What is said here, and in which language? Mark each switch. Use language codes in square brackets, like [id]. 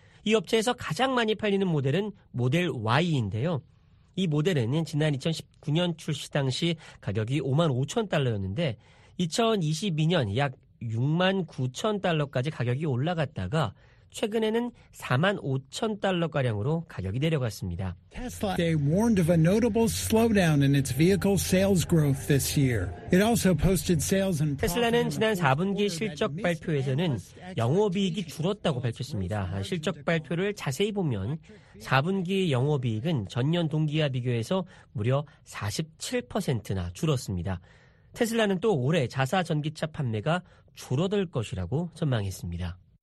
[ko] 이 업체에서 가장 많이 팔리는 모델은 모델 Y인데요. 이 모델은 지난 2019년 출시 당시 가격이 5만 5천 달러였는데 2022년 약 6만 9천 달러까지 가격이 올라갔다가 최근에는 4만 5천 달러가량으로 가격이 내려갔습니다. [en] Tesla, they warned of a notable slowdown in its vehicle sales growth this year. It also posted sales and profit. [ko] 테슬라는 지난 4분기 실적 발표에서는 영업이익이 줄었다고 밝혔습니다. 실적 발표를 자세히 보면 4분기 영업이익은 전년 동기와 비교해서 무려 47%나 줄었습니다. 테슬라는 또 올해 자사 전기차 판매가 줄어들 것이라고 전망했습니다.